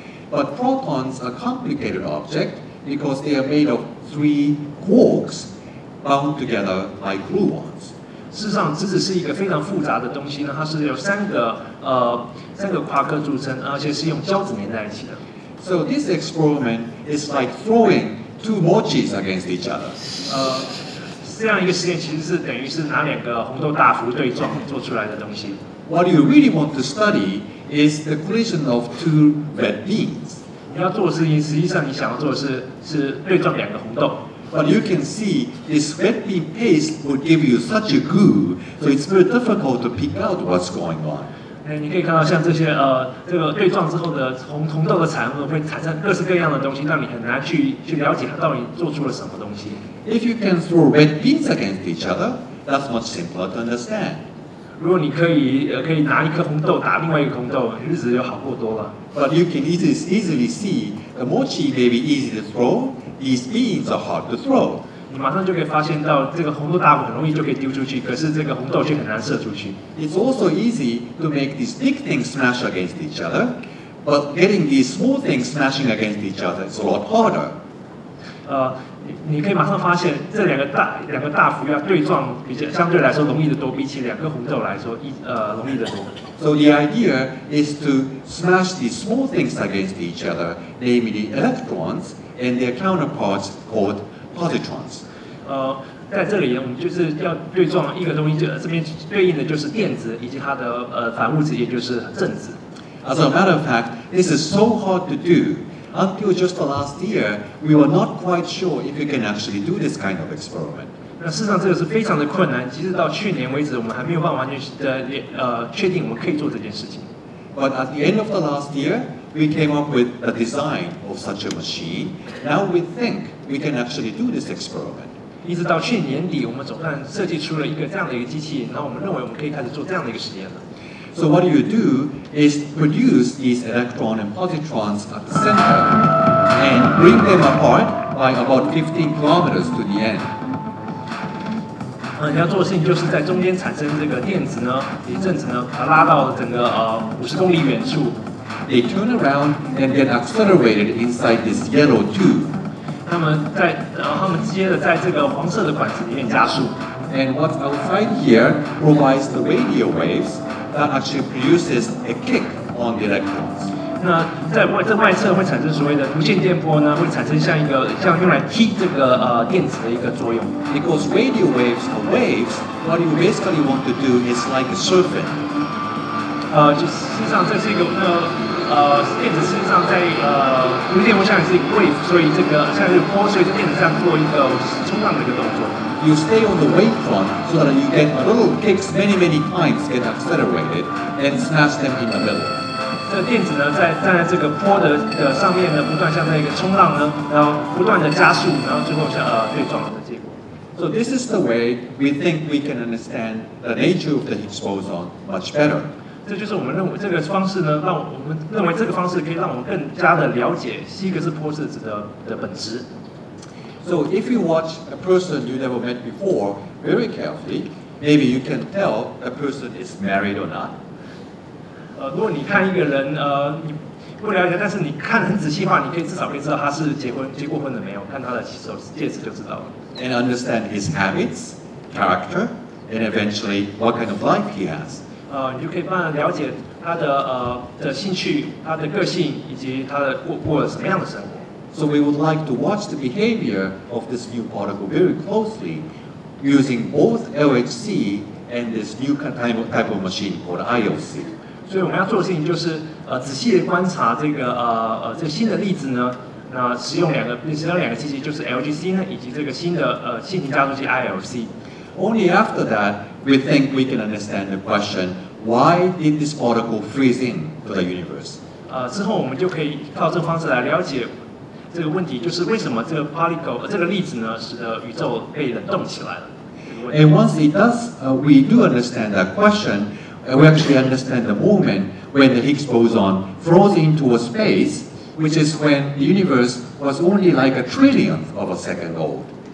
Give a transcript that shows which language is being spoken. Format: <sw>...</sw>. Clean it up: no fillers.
<en>But protons are complicated object because they are made of three quarks bound together like gluons.</en> <zh>事实上，质子是一个非常复杂的东西呢，它是由三个夸克组成，而且是用胶质粘在一起的。</zh> <en>So this experiment is like throwing two mochis against each other.</en> <zh>这样一个实验其实是等于是拿两个红豆大福对撞做出来的东西。</zh> <en>What you really want to study is the collision of two red beans.</en> <zh>你要做的事情，实际上你想要做的是对撞两个红豆。</zh> <en>But you can see this red bean paste would give you such a goo, so it's very difficult to pick out what's going on.</en> <zh>你可以看到像这些这个对撞之后的红豆的产物会产生各式各样的东西，让你很难去了解它到底做出了什么东西。</zh> <en>If you can throw red beans against each other, that's much simpler to understand.</en> <zh>如果你可以拿一颗红豆打另外一个红豆，日子就好过多了。</zh> <en>But you can easily see the mochi may be easy to throw. These beans are hard to throw.</en> <zh>你马上就可以发现到这个红豆大福很容易就可以丢出去，可是这个红豆却很难射出去。</zh> <en>It's also easy to make these big things smash against each other, but getting these small things smashing against each other is a lot harder.</en> <zh>你可以马上发现这两个大福要对撞比较相对来说容易的多，比起两个红豆来说容易的多。</zh> <en>So the idea is to smash these small things against each other, namely electrons and their counterparts called positrons.</en> <zh>在这里我们就是要对撞一个东西，就这边对应的就是电子以及它的反物质，也就是正子。</zh> <en>As a matter of fact, this is so hard to do. Until just the last year, we were not quite sure if we can actually do this kind of experiment.</en> <zh>那事实上，这个是非常的困难。即使到去年为止，我们还没有办法完全的确定我们可以做这件事情。</zh> <en>But at the end of the last year, we came up with a design of such a machine. Now we think we can actually do this experiment.</en> <zh>一直到去年底，我们总算设计出了一个这样的一个机器，然后我们认为我们可以开始做这样的一个实验了。</zh> <en>So what you do is produce these electron and positrons at the center and bring them apart by about 15 kilometers to the end.</en> <zh>你要做的事情就是在中间产生这个电子呢，以及正子呢，把它拉到整个50公里远处。</zh> <en>They turn around and get accelerated inside this yellow tube.</en> <zh>他们接着在这个黄色的管子里面加速。</zh> <en>And what's outside here provides the radio waves. That actually produces a kick on the electrons.</en> <zh>那在外这外侧会产生所谓的无线电波呢，会产生像用来踢这个电子的一个作用。</zh> <en>Because radio waves are waves, what you basically want to do is like a surfing.</en> <zh>就事实上这是一个电子事实上在无线电波像是一个 wave， 所以这个像是波，所以电子上做一个冲浪的一个动作。</zh> <en>You stay on the wavefront so that you get little kicks many, many times, get accelerated, and smash them in the middle.</en> <zh>这电子呢，在站在这个波的上面呢，不断像那个冲浪呢，然后不断的加速，然后最后像对撞的结果。</zh> <en>So this is the way we think we can understand the nature of the Higgs boson much better.</en> <zh>这就是我们认为这个方式呢，让我们认为这个方式可以让我们更加的了解希格斯波质子的本质。</zh> <en>So if you watch a person you never met before very carefully, maybe you can tell a person is married or not.</en> <zh>如果你看一个人，你不了解，但是你看很仔细的话，你可以至少可以知道他是结过婚的没有，看他的手戒指就知道了。</zh> <en>And understand his habits, character, and eventually what kind of life he has.</en> <zh>你就可以慢慢了解他的兴趣、他的个性以及他的过了什么样的生活。</zh> <en>So we would like to watch the behavior of this new particle very closely using both LHC and this new type of machine called IOC.</en> <zh>所以我们要做的事情就是仔细地观察这个新的粒子呢那使用两个，你使用两个机器，就是 LGC 呢，以及这个新的新型加速器 ILC。</zh> <en>Only after that, we think we can understand the question: Why did this particle freeze in for the universe?</en> <zh>之后我们就可以靠这方式来了解这个问题，就是为什么这个 particle 这个粒子呢，使得宇宙被冷冻起来了。</zh> <en>And once it does, we do understand that question. We actually understand the moment when the Higgs boson froze into a space, which is when the universe was only like a trillionth of a second old.</en>